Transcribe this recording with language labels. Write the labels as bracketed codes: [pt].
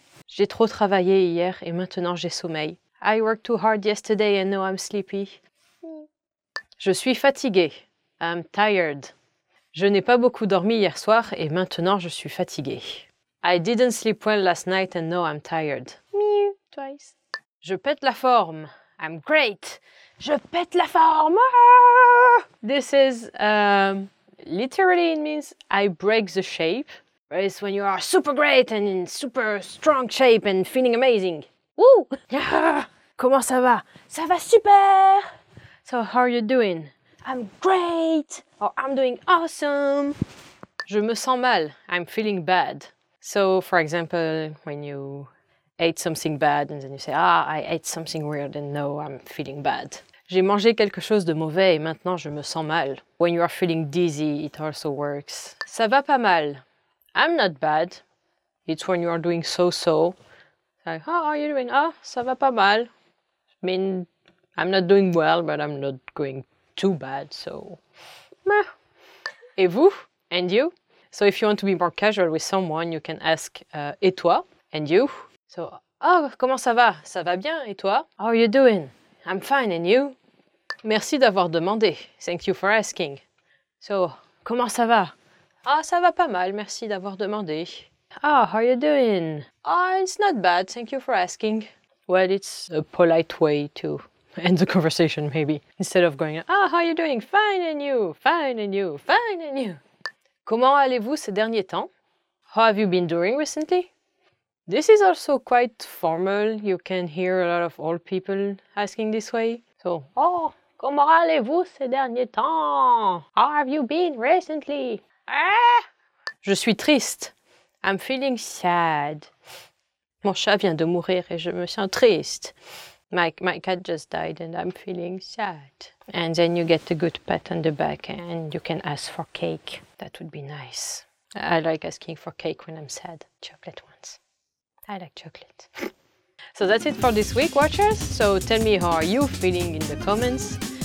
[fr] J'ai trop travaillé hier et maintenant j'ai sommeil. [en] I worked too hard yesterday and now I'm sleepy. [fr] Je suis fatiguée. [en] I'm tired. [fr] Je n'ai pas beaucoup dormi hier soir et maintenant je suis fatiguée. [en] I didn't sleep well last night and now I'm tired. Mew, twice. [fr] Je pète la forme. [en] I'm great. [fr] Je pète la forme. [en] This is... Literally, it means I break the shape. It's when you are super great and in super strong shape and feeling amazing. Woo! [fr] Comment ça va? Ça va super! [en] So, how are you doing? I'm great! Or, I'm doing awesome! [fr] Je me sens mal. [en] I'm feeling bad. So, for example, when you ate something bad and then you say, ah, I ate something weird and no, I'm feeling bad. [fr] J'ai mangé quelque chose de mauvais et maintenant je me sens mal. [en] When you are feeling dizzy, it also works. [fr] Ça va pas mal. [en] I'm not bad. It's when you are doing so-so. Like, how are you doing? [fr] Ah, ça va pas mal. [en] I mean, I'm not doing well, but I'm not going too bad, so... Meh. [fr] Et vous? [en] And you? So if you want to be more casual with someone, you can ask, [fr] et toi? [en] And you? So, oh, [fr] comment ça va? Ça va bien, et toi? [en] How are you doing? I'm fine, and you? [fr] Merci d'avoir demandé. [en] Thank you for asking. So, [fr] comment ça va? Ah, ça va pas mal, merci d'avoir demandé. [en] Ah, how are you doing? Ah, it's not bad, thank you for asking. Well, it's a polite way to end the conversation, maybe. Instead of going, ah, how are you doing? Fine, and you? Fine, and you? Fine, and you? [fr] Comment allez-vous ces derniers temps? [en] How have you been doing recently? This is also quite formal. You can hear a lot of old people asking this way. [fr] So, oh, comment allez-vous ces derniers temps? [en] How have you been recently? Ah! [fr] Je suis triste. [en] I'm feeling sad. [fr] Mon chat vient de mourir et je me sens triste. [en] My cat just died and I'm feeling sad. And then you get a good pat on the back and you can ask for cake. That would be nice. I like asking for cake when I'm sad. Chocolate ones. I like chocolate. So that's it for this week, watchers. So tell me how are you feeling in the comments.